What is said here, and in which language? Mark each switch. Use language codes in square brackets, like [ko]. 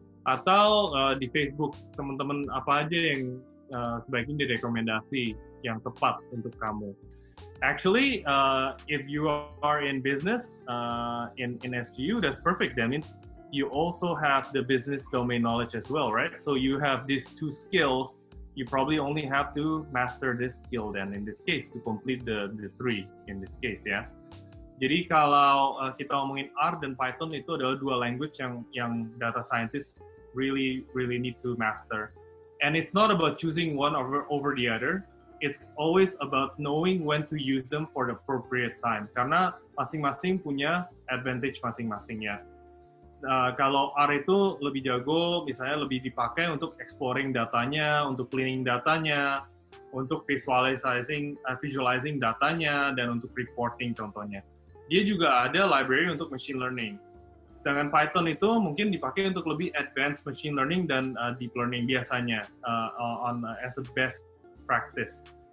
[id] Atau di Facebook, teman-teman apa aja yang sebaiknya direkomendasi yang tepat untuk kamu. [en] Actually, if you are in business, in SGU, that's perfect. That means you also have the business domain knowledge as well, right? So you have these two skills. You probably only have to master this skill then in this case to complete the three in this case ya. [id] Jadi kalau kita ngomongin R dan Python, itu adalah dua language yang [en] data scientists really need to master. And it's not about choosing one over the other. it's always about knowing when to use them for the appropriate time. [id] Karena masing-masing punya advantage masing-masing ya. Kalau R itu lebih jago, misalnya lebih dipakai untuk exploring datanya, untuk cleaning datanya, untuk visualizing datanya, dan untuk reporting contohnya. Dia juga ada library untuk machine learning. Sedangkan Python itu mungkin dipakai untuk lebih advanced machine learning dan deep learning biasanya, [en] as a best practice.